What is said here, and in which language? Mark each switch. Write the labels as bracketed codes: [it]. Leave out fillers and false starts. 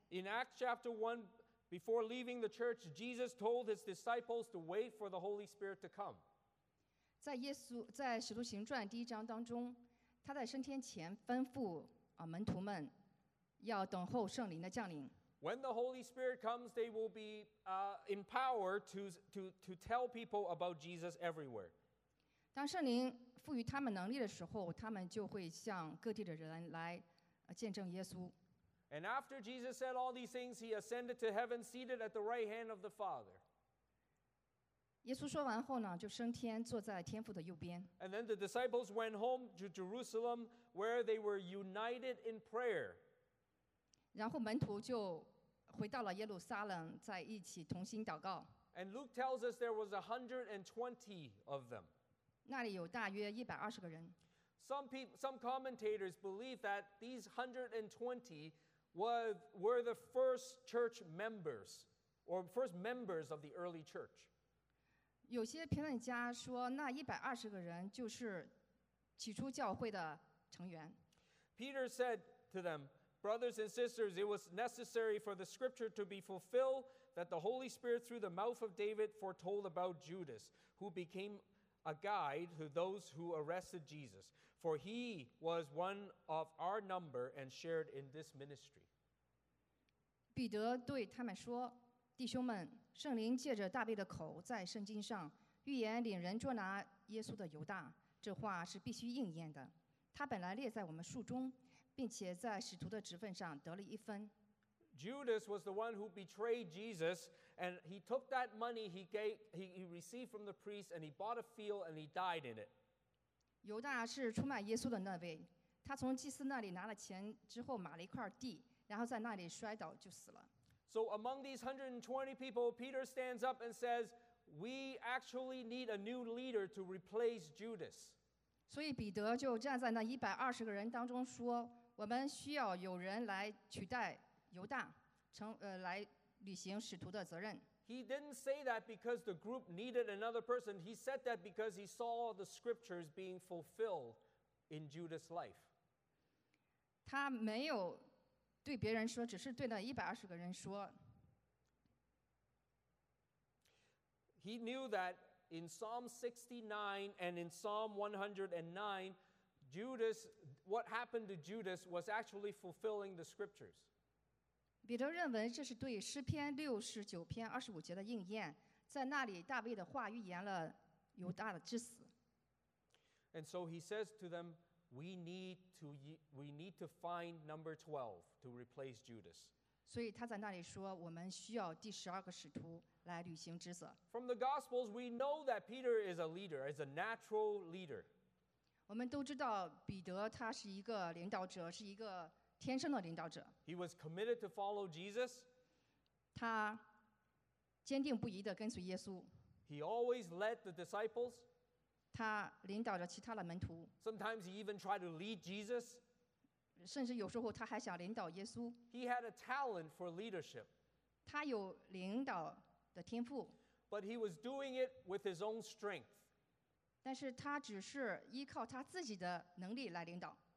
[en] In Acts chapter 1, before leaving the church, Jesus told his disciples to wait for the Holy Spirit to come. [zh] 在《使徒行传》第一章当中，他在升天前吩咐门徒们要等候圣灵的降临。 [en] When the Holy Spirit comes, they will be empowered to tell people about Jesus everywhere. [zh] 当圣灵赋予他们能力的时候，他们就会向各地的人来见证耶稣。 [en] And after Jesus said all these things, he ascended to heaven, seated at the right hand of the Father. [zh] 耶稣说完后呢，就升天，坐在天父的右边。 [en] And then the disciples went home to Jerusalem, where they were united in prayer. [zh] 然后门徒就回到了耶路撒冷，在一起同心祷告。 [en] And Luke tells us there was 120 of them. [zh] 那里有大约120个人。 [en] Some commentators believe that these 120 were the first church members, or first members of the early church. [zh] 有些评论家说，那一百二十个人就是起初教会的成员。 [en] Peter said to them, "Brothers and sisters, it was necessary for the scripture to be fulfilled that the Holy Spirit, through the mouth of David, foretold about Judas, who became a guide to those who arrested Jesus. For he was one of our number and shared in this ministry." [zh] 彼得对他们说。弟兄们，圣灵借着大卫的口在圣经上预言领人捉拿耶稣的犹大，这话是必须应验的。他本来列在我们数中，并且在使徒的职分上得了一分。 [en] Judas was the one who betrayed Jesus, and he took that money he received from the priest, and he bought a field, and he died in it. [zh] 犹大是出卖耶稣的那位，他从祭司那里拿了钱之后买了一块地，然后在那里摔倒就死了。 [en] So among these 120 people, Peter stands up and says, "We actually need a new leader to replace Judas." [zh] 所以彼得就站在那120个人当中说，我们需要有人来取代犹大，来履行使徒的责任。 [en] He didn't say that because the group needed another person. He said that because he saw the scriptures being fulfilled in Judas' life. [zh] 他没有对别人说，只是对那一百二十个人说。 [en] He knew that in Psalm 69 and in Psalm 109, Judas, what happened to Judas was actually fulfilling the scriptures. [zh] 彼得认为这是对诗篇六十九篇二十五节的应验，在那里大卫的话预言了犹大的之死。 [en] And so he says to them. We need to find number 12 to replace Judas. [zh] 所以他在那里说，我们需要第十二个使徒来履行职责。 [en] From the Gospels, we know that Peter is a leader, is a natural leader. [zh] 我们都知道彼得他是一个领导者，是一个天生的领导者。 [en] He was committed to follow Jesus. [zh] 他坚定不移地跟随耶稣。 [en] He always led the disciples. [zh] 他领导着其他的门徒。 [en] Sometimes he even tried to lead Jesus. [zh] 甚至有时候他还想领导耶稣。 [en] He had a talent for leadership. [zh] 他有领导的天赋。 [en] But he was doing it with his own strength. [zh] 但是他只是依靠他自己的能力来领导。